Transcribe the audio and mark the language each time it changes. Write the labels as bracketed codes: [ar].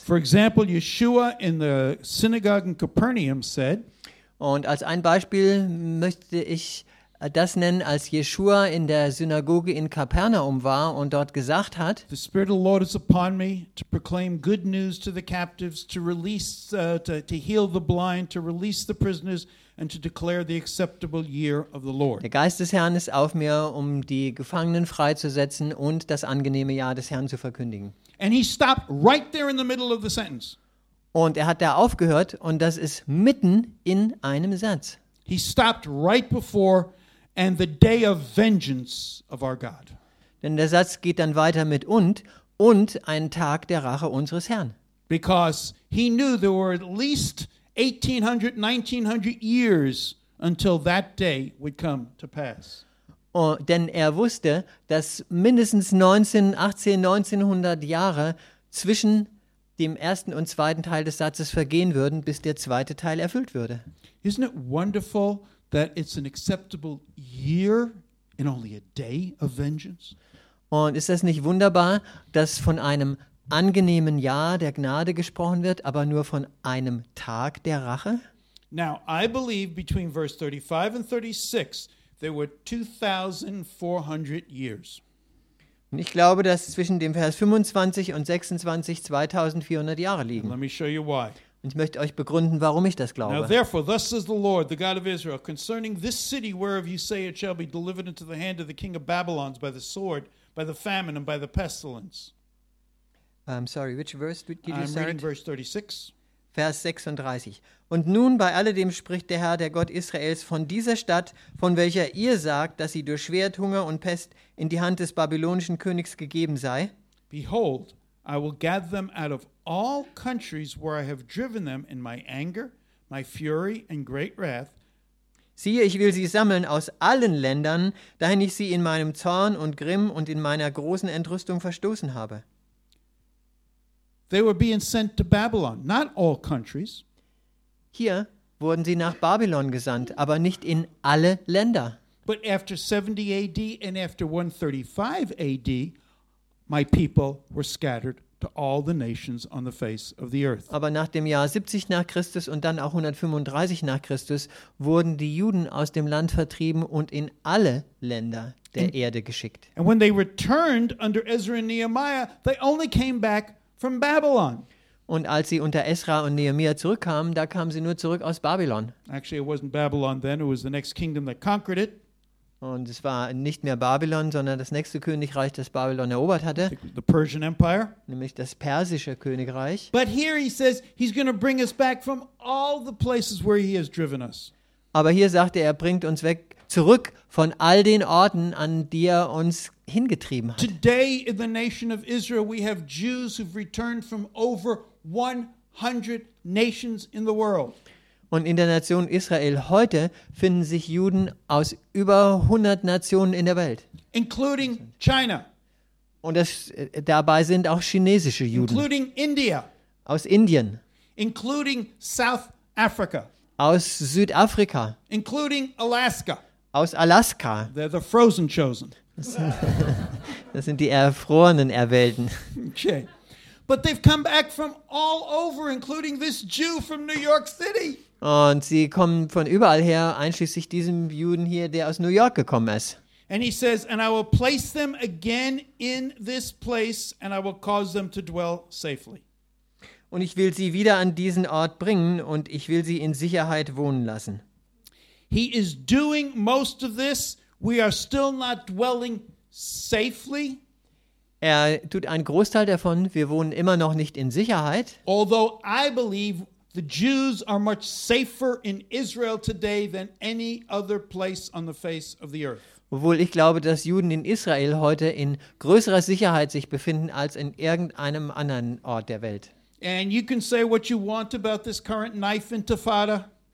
[en] For example, Yeshua in the synagogue in Capernaum said, [de] und als ein Beispiel möchte ich das nennen, als Yeshua in der Synagoge in Kapernaum war und dort gesagt hat, [en] the Spirit of the Lord is upon me to proclaim good news to the captives, to release, to heal the blind, to release the prisoners, and to declare the acceptable year of the Lord. [de] Der Geist des Herrn ist auf mir, um die Gefangenen freizusetzen und das angenehme Jahr des Herrn zu verkündigen. [en] And he stopped right there in the middle of the sentence. [de] Und hat da aufgehört, und das ist mitten in einem Satz. [en] He stopped right before and the day of vengeance of our God. [de] Denn der Satz geht dann weiter mit und ein Tag der Rache unseres Herrn. [en] Because he knew there were at least 1800, 1900 years until that day would come to pass. [de] Oh, denn wusste, dass mindestens 1900 Jahre zwischen dem ersten und zweiten Teil des Satzes vergehen würden, bis der zweite Teil erfüllt würde. [en] Isn't it wonderful that it's an acceptable year and only a day of vengeance? [de] Und ist das nicht wunderbar, dass von einem angenehmen Jahr der Gnade gesprochen wird, aber nur von einem Tag der Rache? [en] Now, I believe between verse 35 and 36 there were 2400 years. [de] Und ich glaube, dass zwischen dem Vers 25 und 26 2400 Jahre liegen. [en] Let me show you why. [de] Und ich möchte euch begründen, warum ich das glaube. [en] Now therefore, thus says the Lord, the God of Israel, concerning this city whereof you say it shall be delivered into the hand of the king of Babylon by the sword, by the famine and by the pestilence. I'm sorry, which verse did you start? I'm reading verse 36. [de] Vers 36. Und nun bei alledem spricht der Herr, der Gott Israels, von dieser Stadt, von welcher ihr sagt, dass sie durch Schwert, Hunger und Pest in die Hand des babylonischen Königs gegeben sei. [en] Behold, I will gather them out of all countries where I have driven them in my anger, my fury and great wrath. [de] Siehe, ich will sie sammeln aus allen Ländern, dahin ich sie in meinem Zorn und Grimm und in meiner großen Entrüstung verstoßen habe. [en] They were being sent to Babylon, not all countries. [de] Hier wurden sie nach Babylon gesandt, aber nicht in alle Länder. [en] But after 70 AD and after 135 AD, my people were scattered to all the nations on the face of the earth. [de] Aber nach dem Jahr 70 nach Christus und dann auch 135 nach Christus wurden die Juden aus dem Land vertrieben und in alle Länder der Erde geschickt. [en] And when they returned under Ezra and Nehemiah, they only came back from Babylon. [de] Und als sie unter Esra und Nehemiah zurückkamen, da kamen sie nur zurück aus Babylon. [en] Actually, it wasn't Babylon then, it was the next kingdom that conquered it. [de] Und es war nicht mehr Babylon, sondern das nächste Königreich, das Babylon erobert hatte. [en] The Persian Empire. [de] Nämlich das persische Königreich. [en] But here he says he's going to bring us back from all the places where he has driven us. [de] Aber hier sagt er, er bringt uns weg, zurück von all den Orten, an die er uns hingetrieben hat. [en] Today in the nation of Israel we have Jews who've returned from over 100 nations in the world. [de] Und in der Nation Israel heute finden sich Juden aus über 100 Nationen in der Welt. [en] Including China. [de] Und das, dabei sind auch chinesische Juden. [en] Including India. [de] Aus Indien. [en] Including South Africa. [de] Aus Südafrika. [en] Including Alaska. [de] Aus Alaska. [en] They're the frozen chosen. [de] Das sind die erfrorenen Erwählten. [en] Okay. But they've come back from all over, including this Jew from New York City. [de] Und sie kommen von überall her, einschließlich diesem Juden hier, der aus New York gekommen ist. [en] And he says, and I will place them again in this place, and I will cause them to dwell safely. [de] Und ich will sie wieder an diesen Ort bringen, und ich will sie in Sicherheit wohnen lassen. [en] He is doing most of this. We are still not dwelling safely. [de] Er tut einen Großteil davon. Wir wohnen immer noch nicht in Sicherheit. [en] Although I believe the Jews are much safer in Israel today than any other place on the face of the earth. [de] Obwohl ich glaube, dass Juden in Israel heute in größerer Sicherheit sich befinden als in irgendeinem anderen Ort der Welt. [en] And you can say what you want about this current knife intifada.